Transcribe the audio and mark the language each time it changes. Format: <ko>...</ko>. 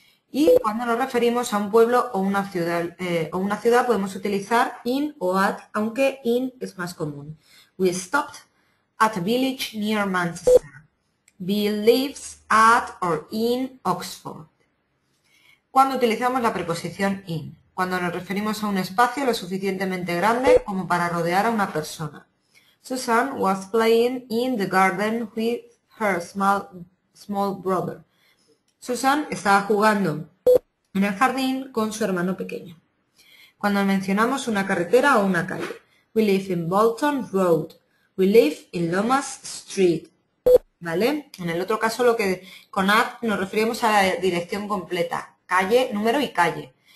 <es>Y cuando nos referimos a un pueblo o una ciudad podemos utilizar in o at, aunque in es más común.</es> <en>We stopped at a village near Manchester. Bill lives at or in Oxford.</en> <es>¿Cuándo utilizamos la preposición in? Cuando nos referimos a un espacio lo suficientemente grande como para rodear a una persona.</es> <en>Susan was playing in the garden with her small brother.</en> <es>Susan estaba jugando en el jardín con su hermano pequeño. Cuando mencionamos una carretera o una calle,</es> <en>we live in Bolton Road. We live in Lomas Street.</en> <es>¿Vale? En el otro caso, lo que con at nos referimos a la dirección completa, calle, número y calle.</es>